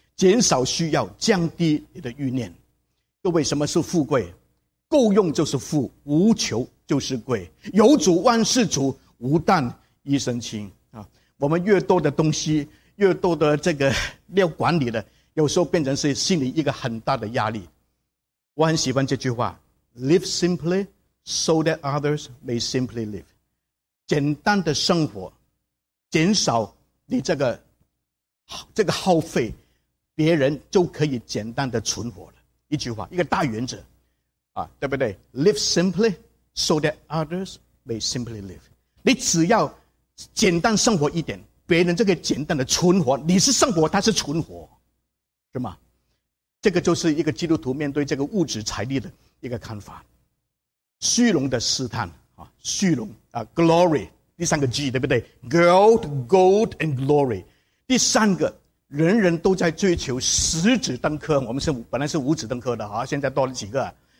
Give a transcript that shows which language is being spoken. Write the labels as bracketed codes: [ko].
[zh] 减少需要，降低你的欲念。各位，什么是富贵？够用就是富，无求就是贵。有主万事足，无担一身轻。我们越多的东西，越多的这个要管理的，有时候变成是心里一个很大的压力。我很喜欢这句话 [en] ：Live simply, so that others may simply live。 [zh] 简单的生活，减少你这个耗费，别人就可以简单的存活了。一句话，一个大原则，啊，对不对 [en] ？Live simply, so that others may simply live。 [zh] 你只要简单生活一点，别人这个简单的存活，你是生活，他是存活，是吗？这个就是一个基督徒面对这个物质财力的一个看法。虚荣的试探啊，虚荣啊 ，glory， 第三个 G 对不对 ？ [en] Gold, gold and glory， [zh] 第三个，人人都在追求实质登科，我们是本来是无质登科的啊，现在多了几个。